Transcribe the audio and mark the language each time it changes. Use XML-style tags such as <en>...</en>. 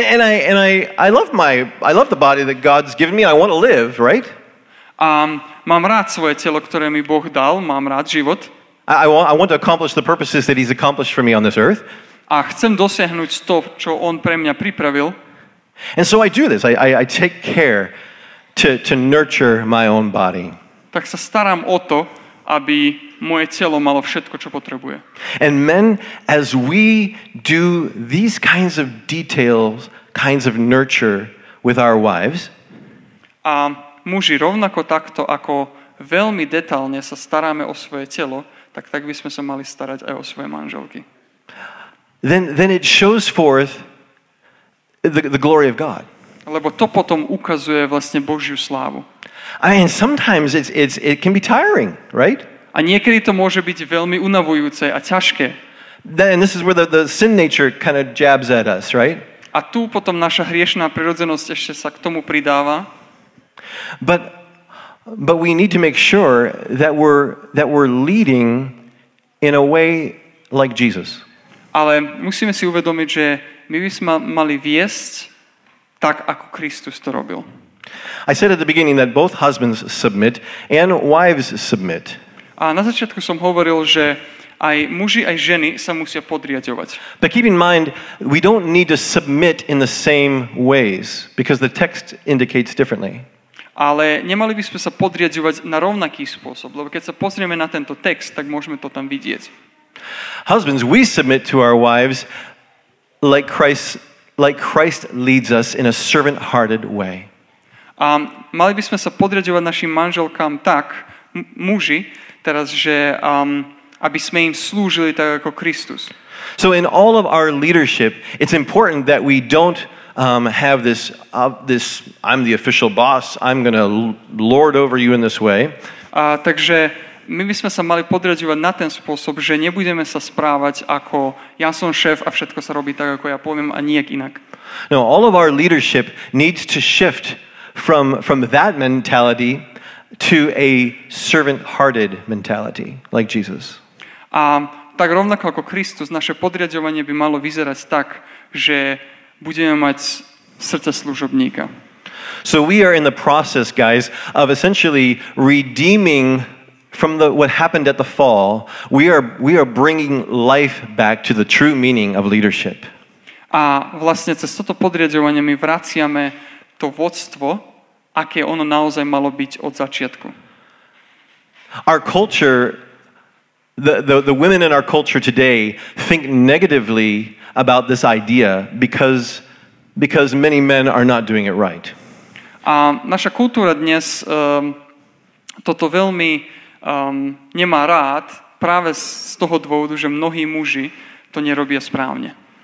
<en>And I love the body that God's given me. I want to live, right?</en> <sk>Mám rád svoje telo, ktoré mi Boh dal. Mám rád život.</sk> <en>I want to accomplish the purposes that he's accomplished for me on this earth.</en> <sk>A chcem dosiahnuť to, čo on pre mňa pripravil.</sk> <en>And so I do this. I take care to nurture my own body.</en> <sk>Tak sa starám o to, aby moje telo malo všetko, čo potrebuje.</sk> <en>And men, as we do these kinds of details, kinds of nurture with our wives,</en> <sk>a muži rovnako takto, ako veľmi detailne sa staráme o svoje telo, tak by sme sa mali starať aj o svoje manželky.</sk> <en>Then it shows forth the glory of God.</en> <sk>Lebo to potom ukazuje vlastne Božiu slávu.</sk> <en>And sometimes it can be tiring, right?</en> <sk>A niekedy to môže byť veľmi unavujúce a ťažké.</sk> <en>And this is where the sin nature kind of jabs at us, right?</en> <sk>A tu potom naša hriešná prirodzenosť ešte sa k tomu pridáva.</sk> <en>But we need to make sure that we're leading in a way like Jesus.</en> <sk>Ale musíme si uvedomiť, že my by sme mali viesť tak, ako Kristus to robil.</sk> <en>I said at the beginning that both husbands submit and wives submit.</en> <sk>A na začiatku som hovoril, že aj muži, aj ženy sa musia podriadovať.</sk> <en>But keep in mind, we don't need to submit in the same ways, because the text indicates differently.</en> <sk>Ale nemali by sme sa podriadovať na rovnaký spôsob, lebo keď sa pozrieme na tento text, tak môžeme to tam vidieť.</sk> <en>Husbands, we submit to our wives like Christ leads us in a servant-hearted way.</en> <sk>A mali by sme sa podriadovať našim manželkám tak, muži, teraz, že aby sme im slúžili tak ako Kristus.</sk> <en>So in all of our leadership, it's important that we don't have this I'm the official boss, I'm going to lord over you in this way.</en> <sk>Takže my by sme sa mali podriadovať na ten spôsob, že nebudeme sa správať ako ja som šéf a všetko sa robí tak, ako ja poviem a nijak inak.</sk> <en>No, all of our leadership needs to shift from that mentality to a servant-hearted mentality, like Jesus.</en> <sk>A tak rovnako ako Kristus, naše podriadovanie by malo vyzerať tak, že budeme mať srdce služobníka.</sk> <en>So we are in the process, guys, of essentially redeeming from what happened at the fall. We are bringing life back to the true meaning of leadership.</en> <sk>A vlastne cez toto podriadovanie my vraciame to vodstvo, aké ono naozaj malo byť od začiatku. Our culture, the women in our culture today think negatively about this idea because many men are not doing it right. A naša kultúra dnes toto veľmi nemá rád práve z toho dôvodu, že mnohí muži to nerobia správne.</sk>